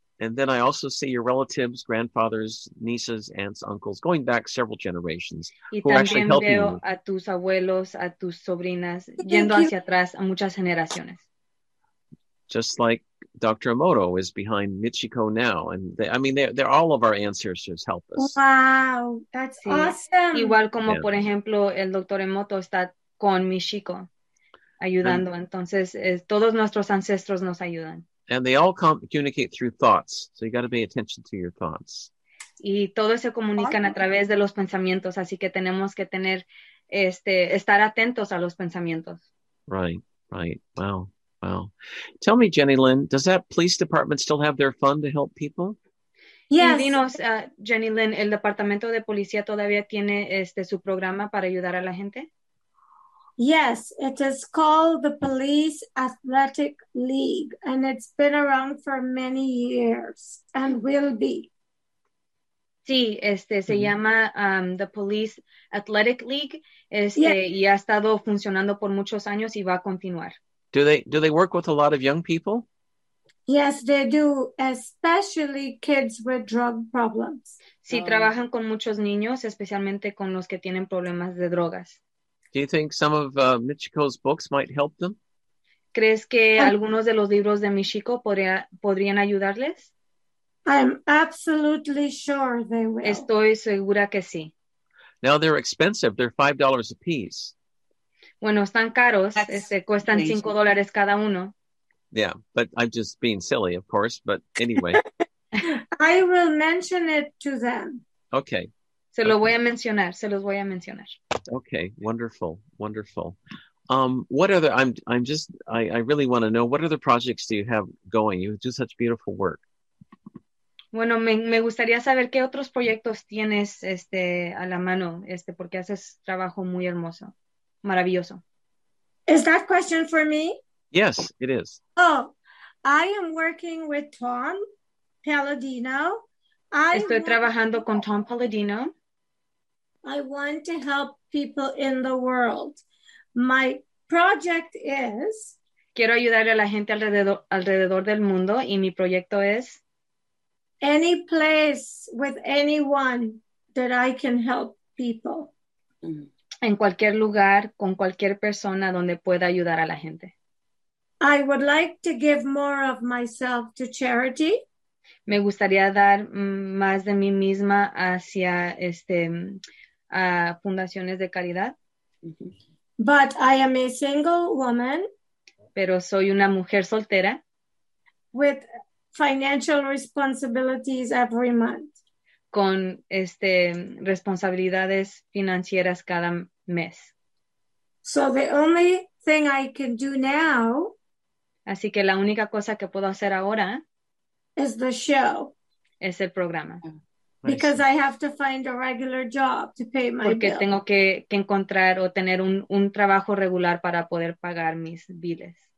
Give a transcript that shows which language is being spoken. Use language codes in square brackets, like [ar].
[en] And then I also see your relatives, grandfathers, nieces, aunts, uncles, going back several generations, [es] y [en] who actually help you. [es] Y también veo a tus abuelos, a tus sobrinas, [en] thank [es] yendo [en] you. [es] Hacia atrás a muchas generaciones. [en] Just like Dr. Emoto is behind Michiko now. And they're all of our ancestors help us. Wow, that's [es] sí. [en] Awesome. [es] Igual como, yeah. Por ejemplo, el Dr. Emoto está con Michiko ayudando. And, entonces, todos nuestros ancestros nos ayudan. [en] And they all communicate through thoughts. So you got to pay attention to your thoughts. [es] Y todos se comunican a través de los pensamientos. Así que tenemos que tener, estar atentos a los pensamientos. [en] Right, right. Wow, wow. Tell me, Jenny Lynn, does that police department still have their fund to help people? Yes. [es] Y dinos, Jenny Lynn, ¿el departamento de policía todavía tiene su programa para ayudar a la gente? [en] Yes, it is called the Police Athletic League, and it's been around for many years, and will be. [es] Sí, se llama the Police Athletic League, y ha estado funcionando por muchos años y va a continuar. [en] Do they work with a lot of young people? Yes, they do, especially kids with drug problems. [es] Sí, trabajan con muchos niños, especialmente con los que tienen problemas de drogas. [en] Do you think some of Michiko's books might help them? [es] ¿Crees que algunos de los libros de Michiko podrían ayudarles? [en] I'm absolutely sure they will. [es] Estoy segura que sí. [en] Now they're expensive. They're $5 a piece. [es] Bueno, están caros. Cuestan amazing. $5 cada uno. [en] Yeah, but I'm just being silly, of course. But anyway. I will mention it to them. Okay. [es] Se los voy a mencionar. [en] Okay, wonderful, wonderful. What other, I really want to know, what other projects do you have going? You do such beautiful work. [es] Bueno, me gustaría saber qué otros proyectos tienes a la mano, porque haces trabajo muy hermoso, maravilloso. [en] Is that question for me? Yes, it is. Oh, I am working with Tom Palladino. [es] Estoy trabajando con Tom Palladino. [en] I want to help people in the world. My project is... [es] Quiero ayudarle a la gente alrededor del mundo y mi proyecto es... [en] Any place with anyone that I can help people. [es] En cualquier lugar, con cualquier persona donde pueda ayudar a la gente. [en] I would like to give more of myself to charity. [es] Me gustaría dar más de mí misma hacia a fundaciones de caridad. [en] But I am a single woman. [es] Pero soy una mujer soltera. [en] With financial responsibilities every month. [es] Con responsabilidades financieras cada mes. [en] So the only thing I can do now. [es] Así que la única cosa que puedo hacer ahora. [en] Is the show. [es] Es el programa. [en] Because I have to find a regular job to pay my [es] Porque [en] bill. [es] Porque tengo que encontrar o tener un trabajo regular para poder pagar mis biles.